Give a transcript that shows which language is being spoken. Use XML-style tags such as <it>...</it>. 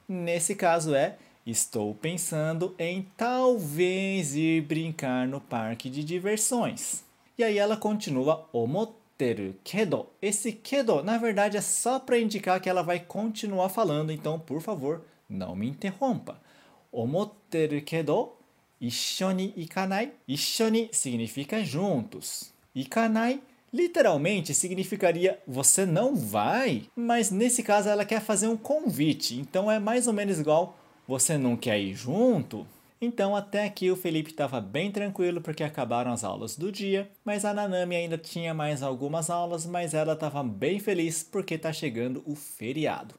<pt>Nesse caso é estou pensando em talvez ir brincar no parque de diversões. E aí ela continua omotteru kedo. Esse kedo, na verdade, é só para indicar que ela vai continuar falando. Então, por favor, não me interrompa.</pt> <ja>思ってるけど一緒に行かない。</ja> <pt>一緒に significa juntos。 行かない literalmente significaria você não vai, mas nesse caso ela quer fazer convite, então é mais ou menos igual você não quer ir junto. Então até aqui o Felipe estava bem tranquilo porque acabaram as aulas do dia, mas a Nanami ainda tinha mais algumas aulas, mas ela estava bem feliz porque está chegando o feriado.</pt>